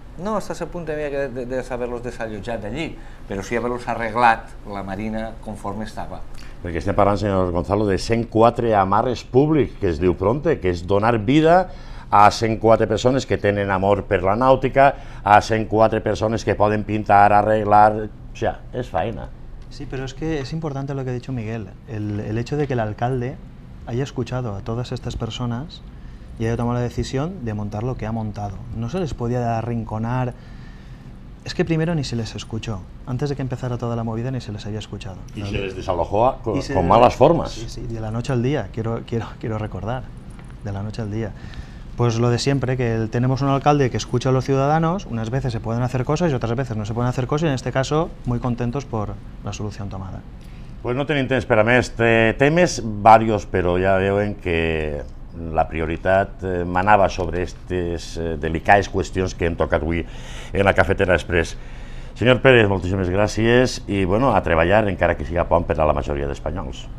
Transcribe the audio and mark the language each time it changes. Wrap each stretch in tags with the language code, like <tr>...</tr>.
<ca>No, estàs a punt també de saber-los desallotjat d'allí, però sí haver-los arreglat la Marina conforme estava. Perquè estem parlant, senyor Gonzalo, de 104 amarres públics, que es diu Pronte, que és donar vida a 104 persones que tenen amor per la nàutica, a 104 persones que poden pintar, arreglar...</ca> <es>O sea,</es> <ca>és feina.</ca> <es>Sí, pero es que es importante lo que ha dicho Miguel, el hecho de que el alcalde haya escuchado a todas estas personas y haya tomado la decisión de montar lo que ha montado. No se les podía arrinconar... Es que primero ni se les escuchó, antes de que empezara toda la movida ni se les había escuchado. Y se les desalojó con malas formas. Sí, sí, de la noche al día, quiero recordar, de la noche al día. Pues lo de siempre, que tenemos un alcalde que escucha a los ciudadanos, unas veces se pueden hacer cosas y otras veces no se pueden hacer cosas, y en este caso, muy contentos por la solución tomada.</es> <ca>Pues no tenim temps per a més temes, varios, però ja veuen que la prioritat manava sobre aquestes delicades qüestions que hem tocat avui en la Cafetera Express. Senyor Pérez, moltíssimes gràcies i bueno, a treballar, encara que siga pont, per a la majoria d'espanyols.</ca>